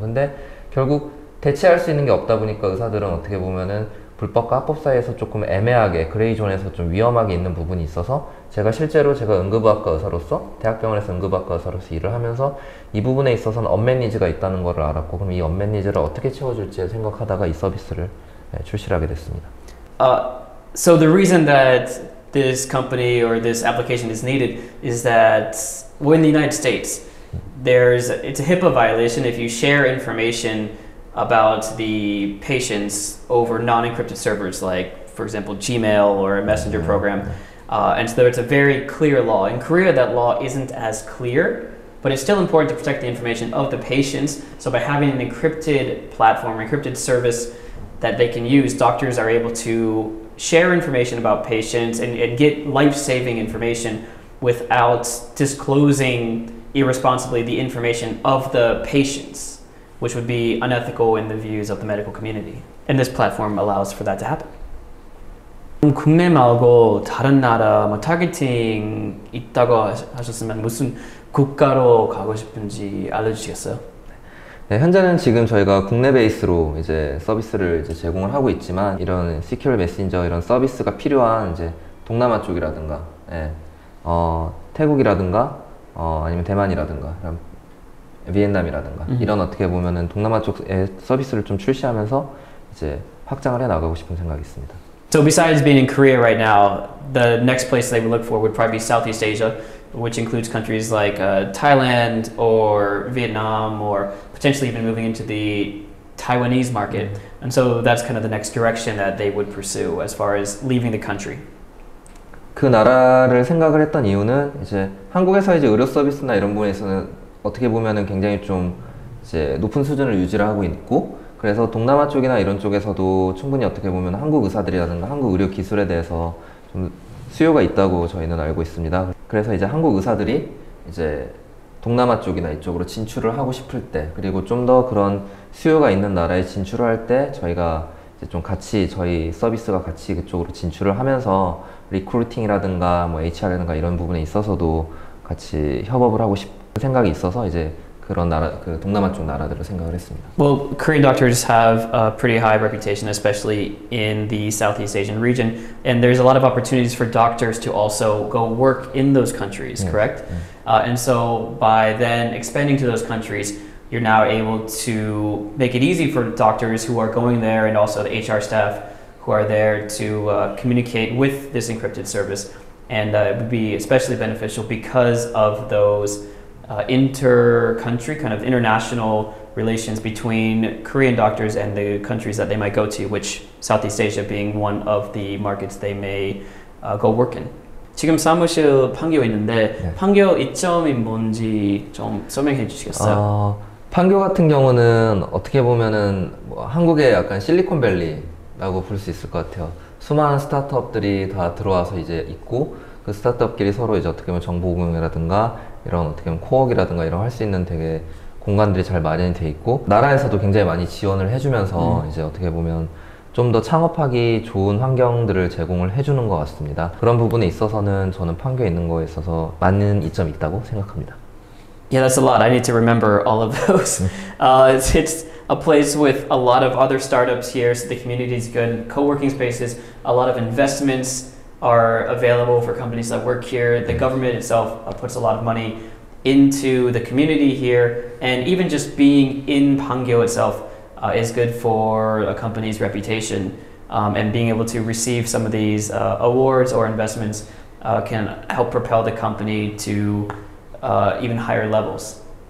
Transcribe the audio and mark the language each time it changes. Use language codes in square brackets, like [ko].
[ko] 근데 결국 대체할 수 있는 게 없다 보니까 의사들은 어떻게 보면은 불법과 합법 사이에서 조금 애매하게 그레이 존에서 좀 위험하게 있는 부분이 있어서 제가 응급학과 의사로서 대학병원에서 응급학과 의사로서 일을 하면서 이 부분에 있어서는 unmet needs가 있다는 걸 알았고 그럼 이 unmet needs를 어떻게 채워줄지 생각하다가 이 서비스를 출시하게 됐습니다. [en] So the reason that this company or this application is needed is that when the United States there's it's a HIPAA violation if you share information about the patients over non-encrypted servers, like for example Gmail or a Messenger program. And so it's a very clear law. In Korea, that law isn't as clear, but it's still important to protect the information of the patients. So by having an encrypted platform, encrypted service that they can use, doctors are able to share information about patients and get life-saving information without disclosing irresponsibly the information of the patients, which would be unethical in the views of the medical community. And this platform allows for that to happen. [ko] 국내 말고 다른 나라 뭐 타겟팅 있다고 하셨으면 무슨 국가로 가고 싶은지 알려주시겠어요? 네, 현재는 지금 저희가 국내 베이스로 이제 서비스를 이제 제공을 하고 있지만 이런 시큐어 메신저 이런 서비스가 필요한 이제 동남아 쪽이라든가 예, 태국이라든가 아니면 대만이라든가 이런 비엔남이라든가 이런 어떻게 보면은 동남아 쪽의 서비스를 좀 출시하면서 이제 확장을 해 나가고 싶은 생각이 있습니다. [en] So besides being in Korea right now, the next place they would look for would probably be Southeast Asia, which includes countries like Thailand or Vietnam or potentially even moving into the Taiwanese market. And so that's kind of the next direction that they would pursue as far as leaving the country. [ko] 그 나라를 생각을 했던 이유는 이제 한국에서 이제 의료 서비스나 이런 부분에서는 어떻게 보면은 굉장히 좀 이제 높은 수준을 유지를 하고 있고 그래서 동남아 쪽이나 이런 쪽에서도 충분히 어떻게 보면 한국 의사들이라든가 한국 의료 기술에 대해서 좀 수요가 있다고 저희는 알고 있습니다. 그래서 이제 한국 의사들이 이제 동남아 쪽이나 이쪽으로 진출을 하고 싶을 때 그리고 좀 더 그런 수요가 있는 나라에 진출을 할 때 저희가 이제 좀 같이 저희 서비스가 같이 그쪽으로 진출을 하면서 리크루팅이라든가 뭐 HR이라든가 이런 부분에 있어서도 같이 협업을 하고 싶은 생각이 있어서 이제 그런 나라, 그 동남아 쪽 나라들을 생각을 했습니다. [en] Well, Korean doctors have a pretty high reputation, especially in the Southeast Asian region. And there's a lot of opportunities for doctors to also go work in those countries, correct? Yeah. And so by then expanding to those countries, you're now able to make it easy for doctors who are going there and also the HR staff who are there to communicate with this encrypted service. And it would be especially beneficial because of those inter-country, kind of international relations between Korean doctors and the countries that they might go to, which Southeast Asia being one of the markets they may go work in. [ko] 지금 사무실 판교에 있는데 네. 판교 이점이 뭔지 좀 설명해 주시겠어요? 판교 같은 경우는 어떻게 보면은 뭐 한국의 약간 실리콘밸리라고 볼 수 있을 것 같아요. 수많은 스타트업들이 다 들어와서 이제 있고 그 스타트업끼리 서로 이제 어떻게 보면 정보 공유라든가 이런 어떻게 보면 코웍이라든가 이런 할 수 있는 되게 공간들이 잘 마련이 돼 있고 나라에서도 굉장히 많이 지원을 해주면서 이제 어떻게 보면 좀 더 창업하기 좋은 환경들을 제공을 해주는 것 같습니다. 그런 부분에 있어서는 저는 판교에 있는 거에 있어서 많은 이점이 있다고 생각합니다. [en] Yeah, that's a lot. I need to remember all of those. It's a place with a lot of other startups here, so the community is good. Co-working spaces, a lot of investments are available for companies that work here. The government itself puts a lot of money into the community here, and even just being in Panggyo itself is good for a company's reputation, and being able to receive some of these awards or investments can help propel the company to even higher levels.